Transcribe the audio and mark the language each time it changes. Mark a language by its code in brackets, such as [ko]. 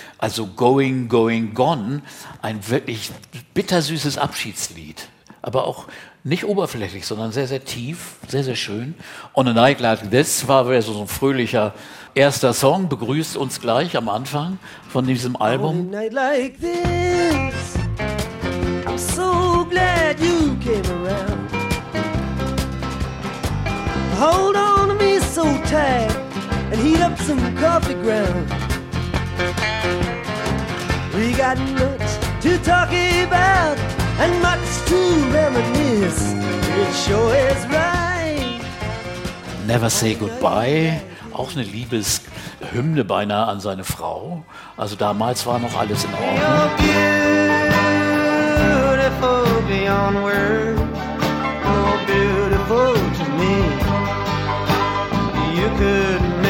[de] Also Going, Going, Gone, ein wirklich bittersüßes Abschiedslied. Aber auch nicht oberflächlich, sondern sehr, sehr tief, sehr, sehr schön. On a Night Like This war so ein fröhlicher erster Song, begrüßt uns gleich am Anfang von diesem Album. [en] On a Night Like This, I'm so glad you came around. Hold on to me so tight. And heat up some coffee ground. We got much to talk about and much to reminisce. It sure is right. [de] Never Say Goodbye, auch eine Liebeshymne beinahe an seine Frau. Also damals war noch alles in Ordnung. [en] You're beautiful beyond words. Oh, beautiful to me. You could.